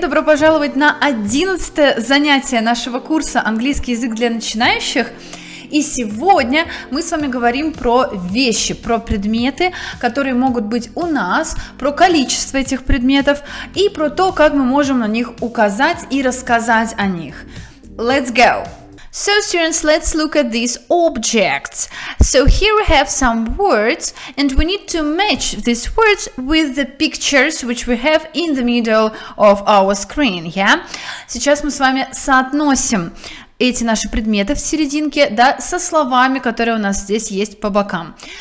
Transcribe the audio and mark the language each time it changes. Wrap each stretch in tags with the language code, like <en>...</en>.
<ru>Добро пожаловать на 11-е занятие нашего курса «Английский язык для начинающих». И сегодня мы с вами говорим про вещи, про предметы, которые могут быть у нас, про количество этих предметов и про то, как мы можем на них указать и рассказать о них.</ru> <en>Let's go! So students, let's look at these objects. So here we have some words and we need to match these words with the pictures which we have in the middle of our screen, yeah?</en> <ru>Сейчас мы с вами соотносим эти наши предметы в серединке, да, со словами, которые у нас здесь есть по бокам.</ru>